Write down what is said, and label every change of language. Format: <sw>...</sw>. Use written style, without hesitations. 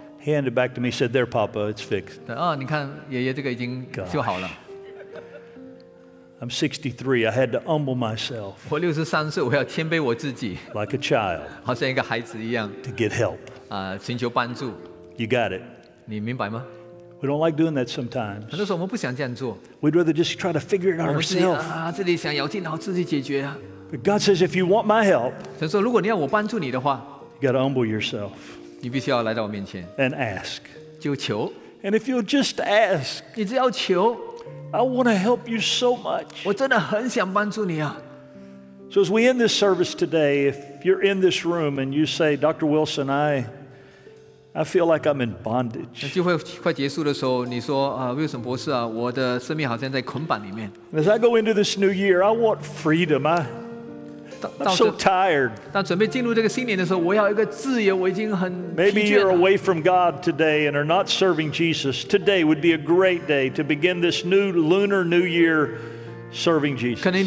<en>he handed it back to me, said, there, Papa, it's fixed.</en> <zh>你看爷爷这个已经修好了.</zh> <en>Gosh. I'm 63. I had to humble myself.</en> <zh>我63岁, 我要谦卑我自己,</zh> <en>like a child.</en> <zh>好像一个孩子一样,</zh> <en>to get help.</en> <zh>寻求帮助.</zh> <en>You got it.</en> <zh>你明白吗?</zh> <en>We don't like doing that sometimes.</en> <zh>很多时候我们不想这样做.</zh> <en>We'd rather just try to figure it out ourselves.</en> <zh>自己想咬进脑自己解决.</zh> <en>But God says, if you want my help,</en> <zh>神说如果你要我帮助你的话,</zh> <en>you got to humble yourself.</en> <zh>你必须要来到我面前.</zh> <en>And ask.</en> <zh>就求.</zh> <en>And if you'll just ask,</en> <zh>你只要求,</zh> <en>I want to help you so much.</en> <zh>我真的很想帮助你啊.</zh> <en>So as we end this service today, if you're in this room and you say, Dr. Wilson, I feel like I'm in bondage.</en> <zh>机会快结束的时候，你说，Wilson博士啊，我的生命好像在捆绑里面.</zh> <en>As I go into this new year, I want freedom. I'm so tired.</en> <zh>当准备进入这个新年的时候，我要一个自由。我已经很</zh> <en>Maybe you're away from God today and are not serving Jesus. Today would be a great day to begin this new lunar new year serving Jesus.</en>